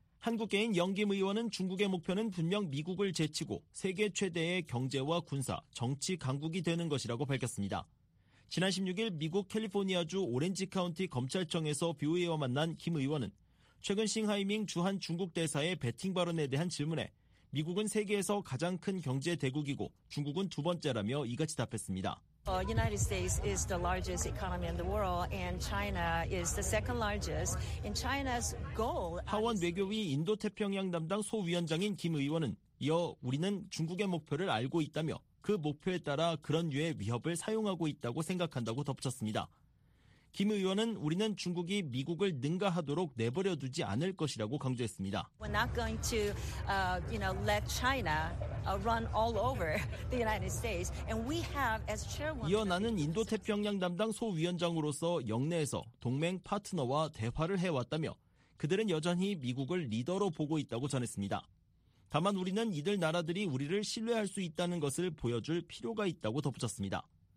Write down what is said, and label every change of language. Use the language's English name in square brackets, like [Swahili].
[Korean] 한국계인 영김 의원은 중국의 목표는 분명 미국을 제치고 세계 최대의 경제와 군사, 정치 강국이 되는 것이라고 밝혔습니다. 지난 16일 미국 캘리포니아주 오렌지 카운티 검찰청에서 뷰이와 만난 김 의원은 최근 싱하이밍 주한 중국 대사의 배팅 발언에 대한 질문에 미국은 세계에서 가장 큰 경제 대국이고 중국은 두 번째라며 이같이 답했습니다. [English] United States is the largest economy in the world and China is the second largest. In China's goal. [Korean] 하원 외교위 인도태평양 담당 소위원장인 김 의원은 이어 우리는 중국의 목표를 알고 있다며 그 목표에 따라 그런 유의 위협을 사용하고 있다고 생각한다고 덧붙였습니다. 김 의원은 우리는 중국이 미국을 능가하도록 내버려 두지 않을 것이라고 강조했습니다. [English] We're not going to, you know, let China run all over the United States. And we have as chairwoman. [Korean] 이어 나는 인도태평양 담당 소위원장으로서 영내에서 동맹 파트너와 대화를 해왔다며 그들은 여전히 미국을 리더로 보고 있다고 전했습니다. 다만 우리는 이들 나라들이 우리를 신뢰할 수 있다는 것을 보여줄 필요가 있다고 덧붙였습니다.